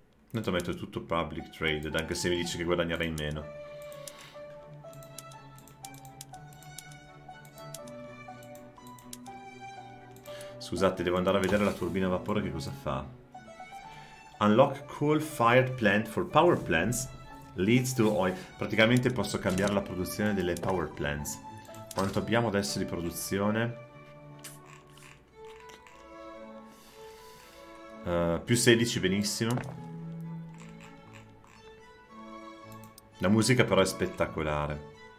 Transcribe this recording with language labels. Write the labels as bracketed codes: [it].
[it] Intanto metto tutto public trade, anche se mi dice che guadagnerei meno. Scusate, devo andare a vedere la turbina a vapore che cosa fa. [en] Unlock coal fired plant for power plants leads to oil. [it] Praticamente posso cambiare la produzione delle power plants. Quanto abbiamo adesso di produzione? Più 16, benissimo. La musica però è spettacolare.